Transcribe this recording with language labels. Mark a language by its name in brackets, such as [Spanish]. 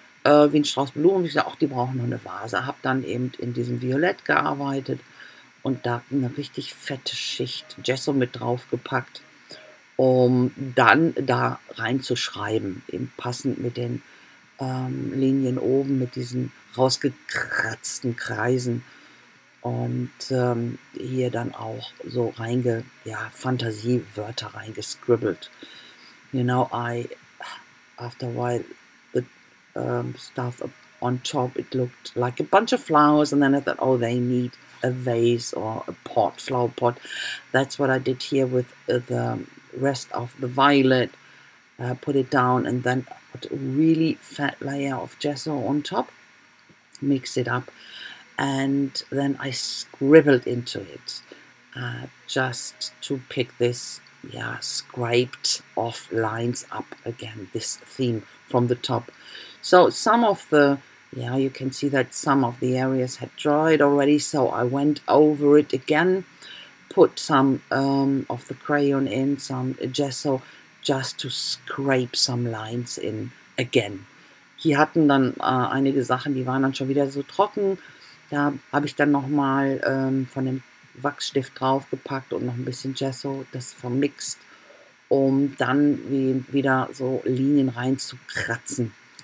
[German] Windstraußblumen, ich sage, ach, die brauchen noch eine Vase. Habe dann eben in diesem Violett gearbeitet und da eine richtig fette Schicht Gesso mit draufgepackt, um dann da reinzuschreiben, eben passend mit den Linien oben, mit diesen rausgekratzten Kreisen und hier dann auch so Fantasiewörter reingescribbelt. [English] You know, after a while, the stuff on top, it looked like a bunch of flowers, and then I thought, oh, they need a vase or a pot, flower pot. That's what I did here with the rest of the violet. Put it down and then put a really fat layer of gesso on top, mix it up, and then I scribbled into it just to pick this scraped off lines up again, this theme from the top. So some of the you can see that some of the areas had dried already, so I went over it again, put some of the crayon in, some gesso, just to scrape some lines in again. [German] Hier hatten dann einige Sachen, die waren dann schon wieder so trocken. Da habe ich dann nochmal von dem Wachsstift draufgepackt und noch ein bisschen Gesso, das vermixt, um dann wieder so Linien reinzukratzen.